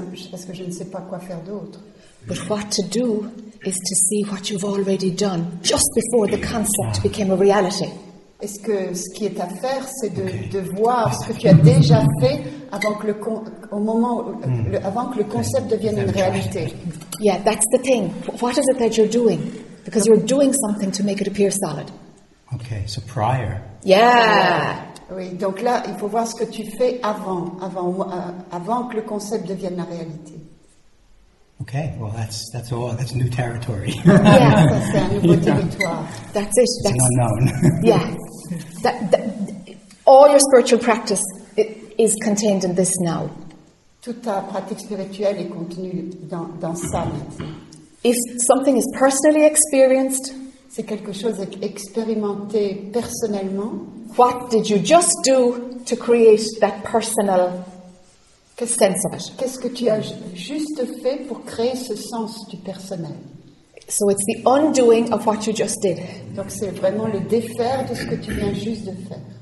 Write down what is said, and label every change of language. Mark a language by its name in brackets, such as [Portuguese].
[English] But what to do is to see what you've already done just before the concept became a reality. [French] Est-ce que ce qui est à faire, c'est de voir ce que tu as déjà fait avant que le concept devienne une réalité. [English] Yeah, that's the thing. What is it that you're doing? Because you're doing something to make it appear solid. Okay, so prior. Yeah. [French] Oui, donc là, il faut voir ce que tu fais avant que le concept devienne la réalité. [English] Okay, well that's all. That's new territory. [French] Yeah, ça, c'est un nouveau territoire. [English] That's it. It's that's an unknown. Yeah. That all your spiritual practice is contained in this now. [French] toute ta pratique spirituelle est contenue dans ça. [English] If something is personally experienced, [French] c'est quelque chose expérimenté personnellement. [English] What did you just do to create that personal sense of it? [French] Qu'est-ce que tu as juste fait pour créer ce sens du personnel? [English] So it's the undoing of what you just did. [French] Donc c'est vraiment le défaire de ce que tu viens juste de faire.